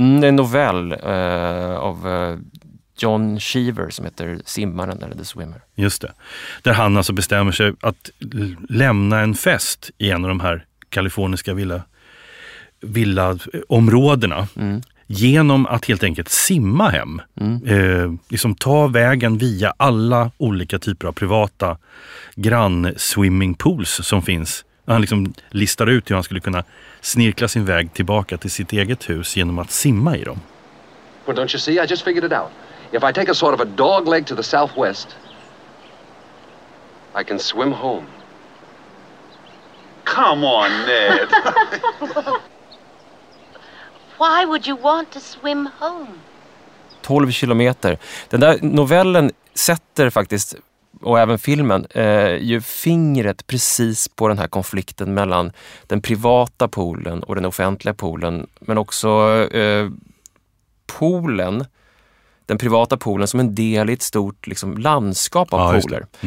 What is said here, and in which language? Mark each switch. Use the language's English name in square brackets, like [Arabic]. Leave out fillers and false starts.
[Swedish] Det är en novell av John Cheever som heter Simmaren eller The Swimmer. Just det. Där han alltså bestämmer sig att lämna en fest i en av de här kaliforniska villaområdena. Genom att helt enkelt simma hem. Mm. Liksom ta vägen via alla olika typer av privata grannswimmingpools som finns. Han liksom listar ut hur han skulle kunna snirkla sin väg tillbaka till sitt eget hus genom att simma i dem. [English] Well, don't you see? I just figured it out. If I take a sort of a dog leg to the southwest, I can swim home. Come on, Ned. Why would you want to swim home? [Swedish] 12 kilometer. Den där novellen sätter faktiskt, och även filmen, ju fingret precis på den här konflikten mellan den privata poolen och den offentliga poolen. Men också poolen, den privata poolen, som en del i ett stort liksom, landskap av pooler.